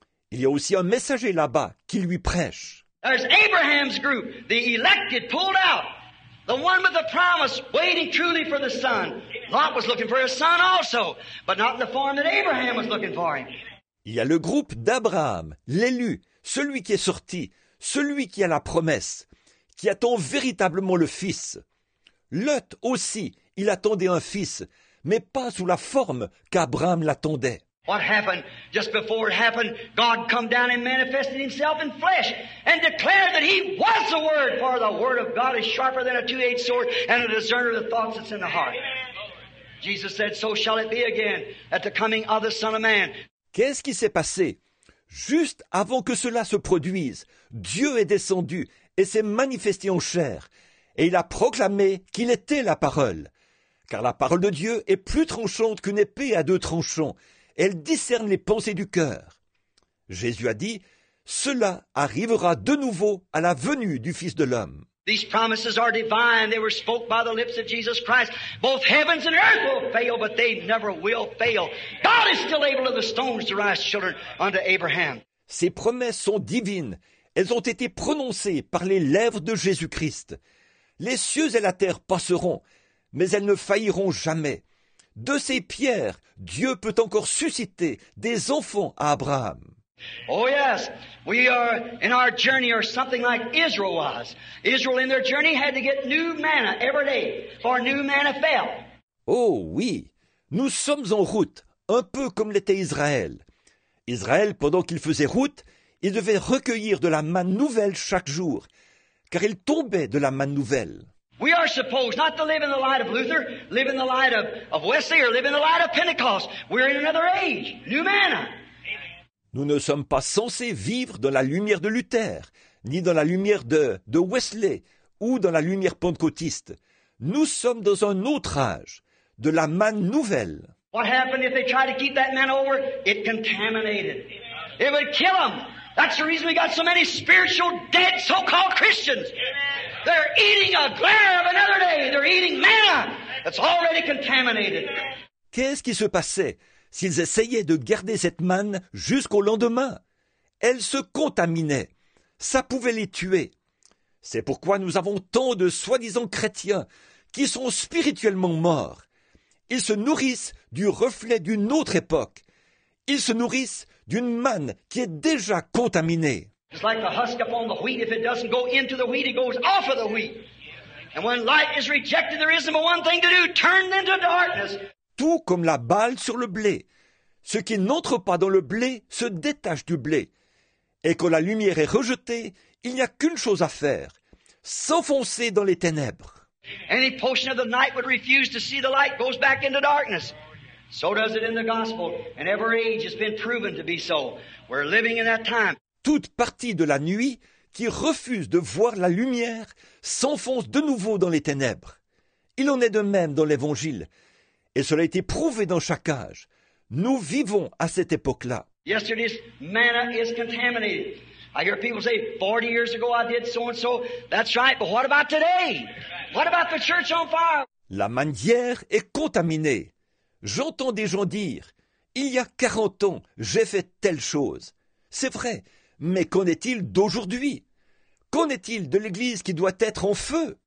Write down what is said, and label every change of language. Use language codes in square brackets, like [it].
[fr] Il y a aussi un messager là-bas qui lui prêche. [en] There's Abraham's group, the elected pulled out, the one with the promise, waiting truly for the son. Lot was looking for his son also, but not in the form that Abraham was looking for him. [fr] Il y a le groupe d'Abraham, l'élu, celui qui est sorti, celui qui a la promesse, qui attend véritablement le fils. Lot aussi, il attendait un fils, mais pas sous la forme qu'Abraham l'attendait. [en] What happened? Just before it happened, God come down and manifested himself in flesh and declared that he was the Word, for the Word of God is sharper than a two-edged sword and a discerner of the thoughts that's in the heart. Jesus said, so shall it be again at the coming of the Son of Man. [fr] Qu'est-ce qui s'est passé? Juste avant que cela se produise, Dieu est descendu et s'est manifesté en chair, et il a proclamé qu'il était la parole. Car la parole de Dieu est plus tranchante qu'une épée à deux tranchants. Elle discerne les pensées du cœur. Jésus a dit, cela arrivera de nouveau à la venue du Fils de l'homme. [en] These promises are divine. They were spoke by the lips of Jesus Christ. Both heavens and earth will fail, but they never will fail. God is still able of the stones to rise children unto Abraham. [fr] Ces promesses sont divines. Elles ont été prononcées par les lèvres de Jésus-Christ. Les cieux et la terre passeront, mais elles ne failliront jamais. De ces pierres, Dieu peut encore susciter des enfants à Abraham. [en] Oh yes, we are in our journey, or something like Israel was. Israel in their journey had to get new manna every day, for new manna fell. [fr] Oh oui, nous sommes en route, un peu comme l'était Israël. Israël, pendant qu'il faisait route, il devait recueillir de la manne nouvelle chaque jour, car il tombait de la manne nouvelle. [en] We are supposed not to live in the light of Luther, live in the light of Wesley, or live in the light of Pentecost. We're in another age, new manna. [fr] Nous ne sommes pas censés vivre dans la lumière de Luther, ni dans la lumière de Wesley, ou dans la lumière pentecôtiste. Nous sommes dans un autre âge, de la manne nouvelle. [en] What happened if they tried to keep that manna over? It contaminated. It would kill them. That's the reason we got so many spiritual dead so-called Christians. They're eating a glare of another day. They're eating manna that's already contaminated. [fr] Qu'est-ce qui se passait s'ils essayaient de garder cette manne jusqu'au lendemain? Elle se contaminait. Ça pouvait les tuer. C'est pourquoi nous avons tant de soi-disant chrétiens qui sont spirituellement morts. Ils se nourrissent du reflet d'une autre époque. Ils se nourrissent d'une manne qui est déjà contaminée. [en] It's like the husk upon the wheat. If it doesn't go into the wheat, it goes off of the wheat. And when light is rejected, there isn't but one thing to do, turn into darkness. [fr] Tout comme la balle sur le blé. Ce qui n'entre pas dans le blé se détache du blé. Et quand la lumière est rejetée, il n'y a qu'une chose à faire, s'enfoncer dans les ténèbres. [en] Any portion of the night would refuse to see the light goes back into darkness. So does it in the gospel, and every age has been proven to be so. We're living in that time. [fr] Toute partie de la nuit qui refuse de voir la lumière s'enfonce de nouveau dans les ténèbres. Il en est de même dans l'Évangile, et cela a été prouvé dans chaque âge. Nous vivons à cette époque-là. [en] Yesterday's manna is contaminated. I hear people say, 40 years ago I did so and so. That's right, but what about today? What about the church on fire? [fr] La manne d'hier est contaminée. J'entends des gens dire, il y a 40 ans, j'ai fait telle chose. C'est vrai, mais qu'en est-il d'aujourd'hui? Qu'en est-il de l'Église qui doit être en feu?